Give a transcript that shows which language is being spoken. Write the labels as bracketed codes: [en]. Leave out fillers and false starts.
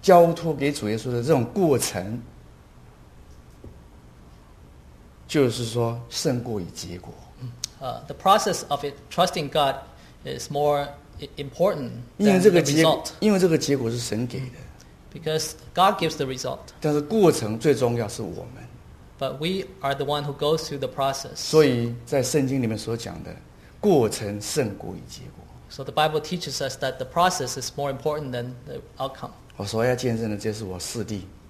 [zh] 就是我们信仰过程，这个过程，就是说你交托给主耶稣的这种过程。就是说，胜过于结果。 [en] The process of it, trusting God is more important than the result. [zh] 因为这个结果是神给的。 [en] Because God gives the result. [zh] 但是过程最重要是我们。 [en] But we are the one who goes through the process. [zh] 所以在圣经里面所讲的，过程胜过于结果。 [en] So the Bible teaches us that the process is more important than the outcome. [zh] 我所要见证的，这是我四弟。